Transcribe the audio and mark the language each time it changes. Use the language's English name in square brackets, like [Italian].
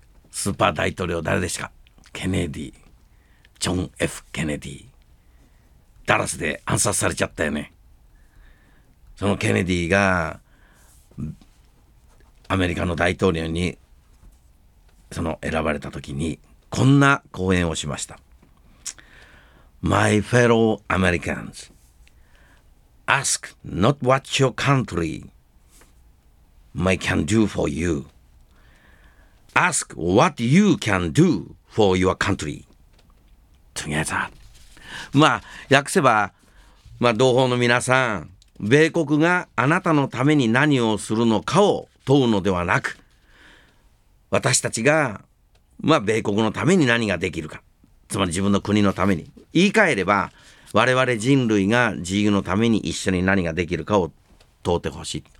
[Japanese] スーパー大統領誰でしたか。ケネディ、ジョン・ F ・ケネディ、ダラスで暗殺されちゃったよね。そのケネディがアメリカの大統領にその選ばれた時にこんな講演をしました。 [English] My fellow Americans, ask not what your countryI can do for you. Ask what you can do for your country. Together. [Japanese] まあ訳せば、まあ同胞の皆さん、米国があなたのために何をするのかを問うのではなく、私たちがまあ米国のために何ができるか、つまり自分の国のために、言い換えれば我々人類が自由のために一緒に何ができるかを問うてほしい。